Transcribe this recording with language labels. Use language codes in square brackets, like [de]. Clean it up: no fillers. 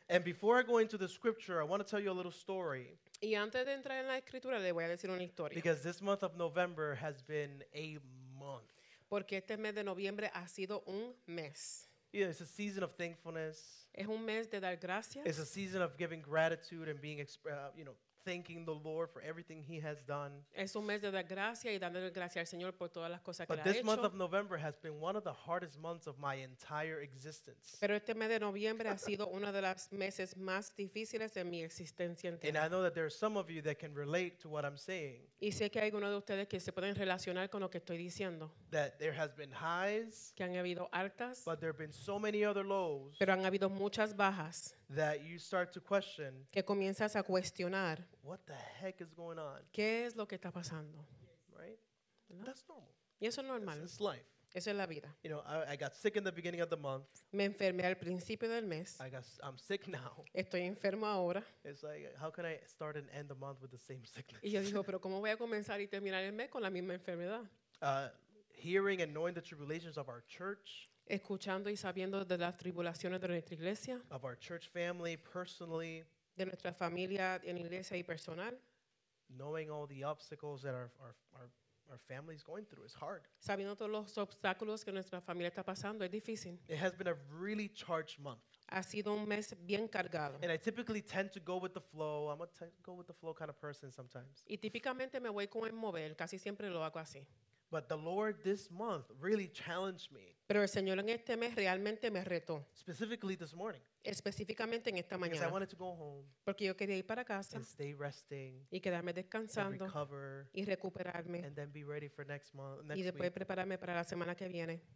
[en] And before I go into the scripture, I want to tell you a little story. [es] Y antes de entrar en la escritura, le voy a decir una historia. [en] Because this month of November has been a month. [es] Porque este mes de noviembre ha sido un mes. [en] Yeah, it's a season of thankfulness. [es] Es un mes de dar gracias. [en] It's a season of giving gratitude and being, thanking the Lord for everything He has done. [es] Es un mes de dar gracias y dándole gracias al Señor por todas las cosas que ha hecho. [en] But this month of November has been one of the hardest months of my entire existence. [es] Pero este mes de noviembre ha sido uno de los meses más difíciles de mi existencia entera. [en] And I know that there are some of you that can relate to what I'm saying. [es] Y sé que hay algunos de ustedes que se pueden relacionar con lo que estoy diciendo. [en] That there has been highs. [es] Que han habido altas. [en] But there have been so many other lows. [es] Pero han habido muchas bajas. [en] That you start to question. [es] Que comienzas a cuestionar. [en] What the heck is going on? [es] ¿Qué es lo que está pasando? [en] Right? [es] ¿Verdad? [en] That's normal. [es] Y eso es normal. [en] It's life. [es] Eso es la vida. [en] You know, I got sick in the beginning of the month. [es] Me enfermé al principio del mes. [en] I'm sick now. [es] Estoy enfermo ahora. [en] It's like, how can I start and end the month with the same sickness? [es] Y yo digo, pero ¿cómo voy a comenzar y terminar el mes con la misma enfermedad? [en] Hearing and knowing the tribulations of our church. [es] Escuchando y sabiendo de las tribulaciones de nuestra iglesia. [en] Of our church family, personally. [es] De nuestra familia, en iglesia y personal. [en] Knowing all the obstacles that our family is going through is hard. [es] Sabiendo todos los obstáculos que nuestra familia está pasando es difícil. [en] It has been a really charged month. [es] Ha sido un mes bien cargado. [en] And I typically tend to go with the flow. I'm a go with the flow kind of person sometimes. [es] Y típicamente me voy con el mover. Casi siempre lo hago así. [en] But the Lord this month really challenged me. [es] Pero el Señor en este mes realmente me retó. [en] Specifically this morning. [es] Específicamente en esta mañana. [en] Because I wanted to go home. [es] Porque yo quería ir para casa. [en] And stay resting. [es] Y quedarme descansando. [en] And recover. [es] Y recuperarme. [en] And then be ready for next month. [es] Y después prepararme para la semana que viene.